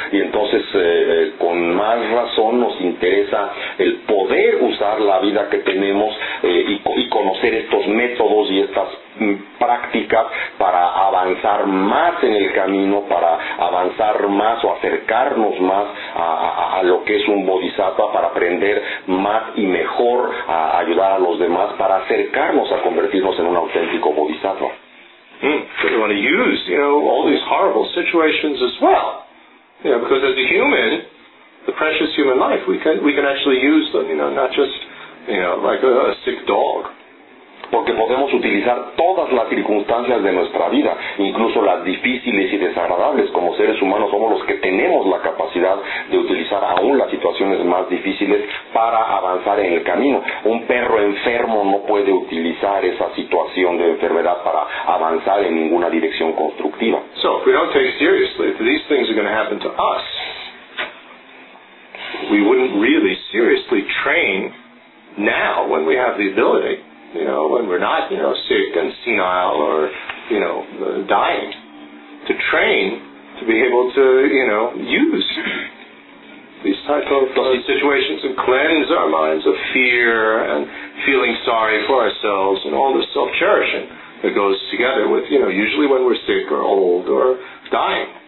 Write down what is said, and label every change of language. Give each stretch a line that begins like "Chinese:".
Spanish: Y entonces con más razón nos interesa el poder usar la vida que tenemos y conocer estos métodos y estas prácticas para avanzar más en el camino, para avanzar más o acercarnos más a lo que es un bodhisattva, para aprender más y mejor a ayudar a los demás, para acercarnos a convertirnos en un auténtico bodhisattva.
English: We want to use, you know, all these horrible situations as well. You know, because as a human, the precious human life, we can actually use them, you know, not just, you know, like a sick dog.
Spanish: Porque podemos utilizar todas las circunstancias de nuestra vida, incluso las difíciles y desagradables. Como seres humanos somos los que tenemos la capacidad de utilizar aún las situaciones más difíciles para avanzar en el camino. Un perro enfermo no puede utilizar esa situación de enfermedad para avanzar en ninguna dirección constructiva.
English: So, if we don't take seriously that these things are going to happen to us, we wouldn't really seriously train now when we have the ability. You know, when we're not, you know, sick and senile or, you know, dying, to train to be able to, you know, use these type of situations and cleanse our minds of fear and feeling sorry for ourselves and all the self-cherishing that goes together with, you know, usually when we're sick or old or dying.